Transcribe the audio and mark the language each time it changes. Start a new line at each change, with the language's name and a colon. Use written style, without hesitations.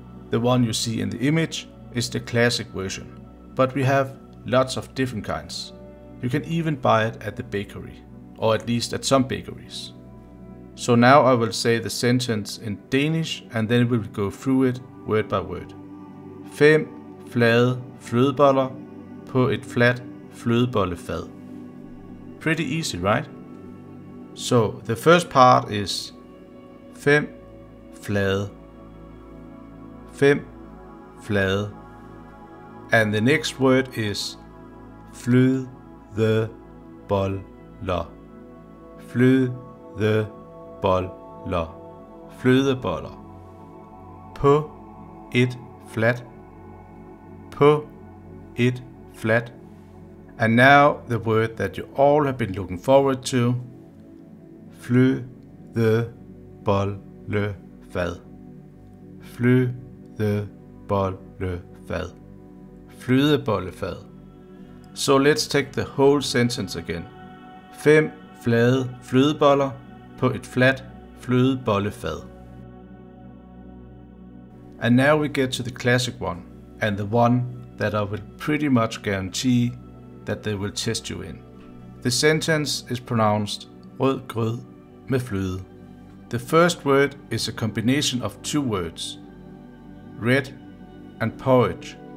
English: The one you see in the image is the classic version. But we have lots of different kinds. You can even buy it at the bakery, or at least at some bakeries. So now I will say the sentence in Danish, and then we'll go through it word by word.
Danish: Fem flade flødeboller på et flat flødebollefad.
English: Pretty easy, right? So the first part is
Danish: fem flade. Fem flade.
English: And the next word is flødeboller.
Danish: Flødeboller. Flødeboller. På et flat. På et flat.
English: And now the word that you all have been looking forward to.
Danish: Flødebollefad. Flødebollefad. Flødebollefad.
English: So let's take the whole sentence again.
Danish: Fem flade flødeboller på et flat flødebollefad.
English: And now we get to the classic one, and the one that I will pretty much guarantee that they will test you in. The sentence is pronounced
Danish: Rødgrød med fløde.
English: The first word is a combination of two words, red and porridge.